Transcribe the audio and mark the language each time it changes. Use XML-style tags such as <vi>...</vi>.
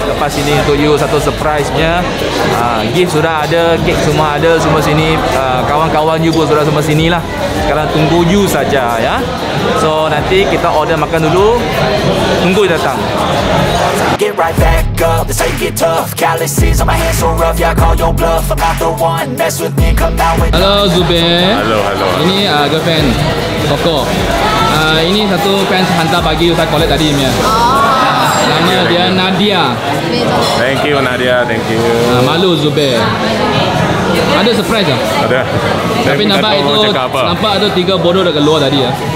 <ms>Lepas ini untuk you satu surprise nya. Gift sudah ada, cake semua ada, semua sini. Kawan-kawan you pun sudah semua sini lah. sekarang tunggu you saja ya. So nanti kita order makan dulu. Tunggu you datang.</ms> <en>Get right back up, that's how you get tough. Calluses on my hands so rough, yeah, I call your bluff. I'm not the one, mess with me, come out with.</en> <ms>Halo Zubin. Halo, halo. Ini girlfriend, Toko. Ini satu fans hantar bagi Ustaz Collette tadi. Oh. Nama dia thank Nadia.</ms> <en>Thank you Nadia, thank you.</en> <ms>Malu Zubin. Ada surprise tak? Ada. Tapi nampak itu, nampak ada tiga bodoh dekat luar tadi ya.</ms>